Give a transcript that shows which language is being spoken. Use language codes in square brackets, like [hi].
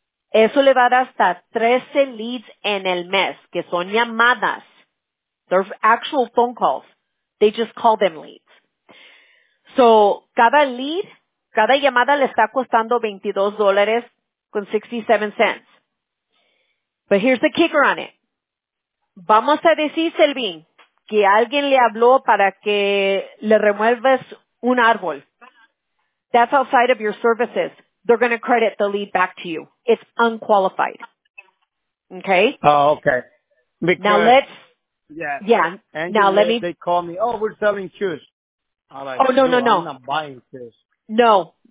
[es] Eso le va a dar hasta 13 leads en el mes, que son llamadas. [en] They're actual phone calls. They just call them leads. So, [es] cada lead, cada llamada le está costando [en] $22.67. But here's the kicker on it. [es] Vamos a decir, [en] Selvin, [es] que alguien le habló para que le remuevas un árbol. [en] That's outside of your services. They're going to credit the lead back to you. It's unqualified. Okay? Oh, okay. Because, now let's... Yeah. Yeah. And now let me... They call me, oh, we're selling shoes. Like, oh, no. I'm not buying shoes. No.